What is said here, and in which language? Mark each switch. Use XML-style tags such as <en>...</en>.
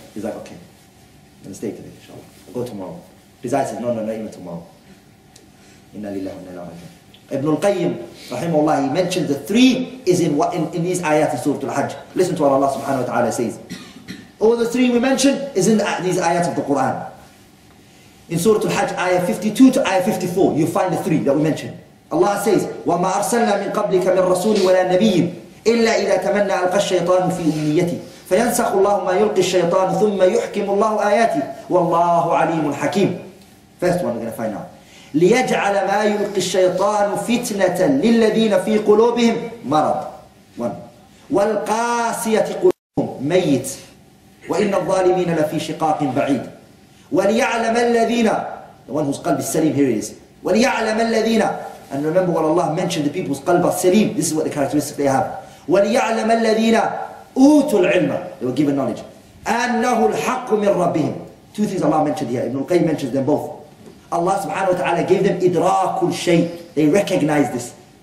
<en>He's like, okay. I'm going to stay today, inshallah. I'll go tomorrow. Desire says, no, not even tomorrow.</en> <ar>Inna lillahi wa inna ilayhi raji'un.</ar> <en>Ibn al-Qayyim, rahimahullah, he mentioned the three is in these ayat of Surah Al-Hajj. Listen to what Allah subhanahu wa ta'ala says. All the three we mentioned is in these ayat of the Qur'an. In Surah Al-Hajj, ayah 52 to ayah 54, you find the three that we mentioned.</en> <ar>Allah says, وَمَا أَرْسَلْنَا مِنْ قَبْلِكَ مِنْ رَسُولِ وَلَا نَبِيٍّ إِلَّا إِذَا تَمَنَّى أَلْقَى الشَّيْطَانُ فِي أُمْنِيَّتِهِ فَيَنْسَخُ اللَّهُ مَا يُلْقِي الشَّيْطَانُ ثُمَّ يُحْكِمُ اللَّهُ آيَاتِهِ وَاللَّهُ عَلِيمٌ حَكِيمٌ</ar> <en>First one we're going to find out.</en> <ar>لِيَجْعَلَ مَا يُلْقِي الشَّيْطَانُ فِتْنَةً لِلَّذِينَ فِي قُلُوبِهِمْ مَرَضٌ One. وَالْقَاسِيَةِ قُلُوبُهُمْ مَيِّتٌ وَإِنَّ الظَّالِمِينَ لَفِي شِقَاقٍ بَعِيدٍ وَلِيَعْلَمَ الَّذِينَ</ar> <en>The one whose qalb is salim, here he is.</en> <ar>وَلِيَعْلَمَ الَّذِينَ</ar> <en>And remember what Allah mentioned, the people's qalb are salim. This is what the characteristic they have.</en> <ar>وَلِيَعْلَمَ الَّذِينَ أُوتُوا الْعِلْمَ</ar> <en>They were given knowledge.</en> <ar>أَنَّهُ الْحَقُّ مِنْ رَبِّهِمْ</ar> <en>Two things Allah mentioned here. Ibn al-Qayyim mentions them both. Allah subhanahu wa ta'ala gave them idraakul shay. They recognized this.</en>